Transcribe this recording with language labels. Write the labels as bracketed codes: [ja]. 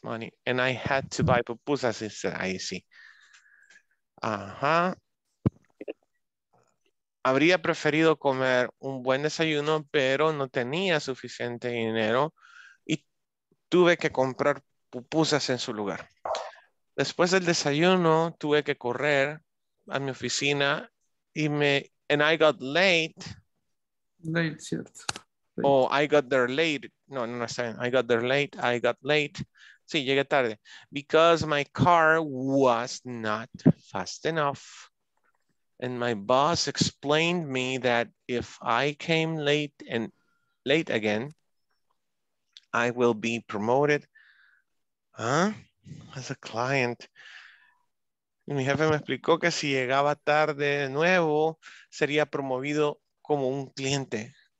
[en] money, and I had to buy pupusas instead. I see. Uh-huh. [es] Habría preferido comer un buen desayuno, pero no tenía suficiente dinero y tuve que comprar pupusas en su lugar. Después del desayuno, tuve que correr a mi oficina y [en] I got late. [es] Late, cierto. [en] Oh, I got there late. [es] No, está bien. [en] I got late. [es] Sí, llegué tarde. [en] Because my car was not fast enough. And my boss explained me that if I came late again, I will be promoted. As a client. [es] Y mi jefe me explicó que si llegaba tarde de nuevo, sería promovido como un cliente.